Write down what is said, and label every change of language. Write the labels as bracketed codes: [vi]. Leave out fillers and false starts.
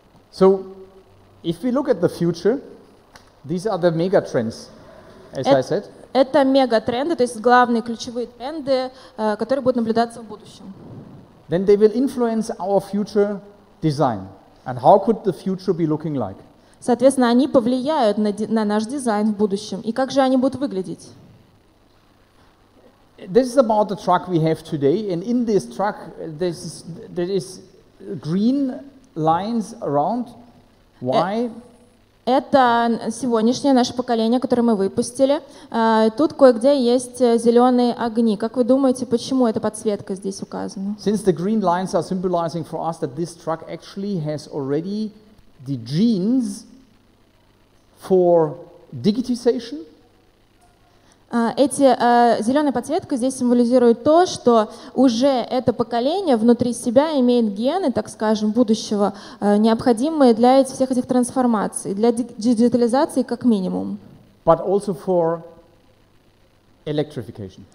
[en] So, if we look at the future, these are the mega trends, as I said. [ru] Это мегатренды, то есть главные ключевые тренды, которые будут наблюдаться в будущем. [en] Then they will influence our future design. And how could the future be looking like? [ru] Соответственно, они повлияют на наш дизайн в будущем. И как же они будут выглядеть? [en] This is about the truck we have today, and in this truck there is green lines around. Why? [ru] Это сегодняшнее наше поколение, которое мы выпустили. Тут кое-где есть зеленые огни. Как вы думаете, почему эта подсветка здесь указана? [en] Since the green lines are symbolizing for us that this truck actually has already the genes for digitization. [ru] Зеленая подсветка здесь символизирует то, что уже это поколение внутри себя имеет гены, так скажем, будущего, необходимые для всех этих трансформаций, для диджитализации как минимум. [en] But also for electrification.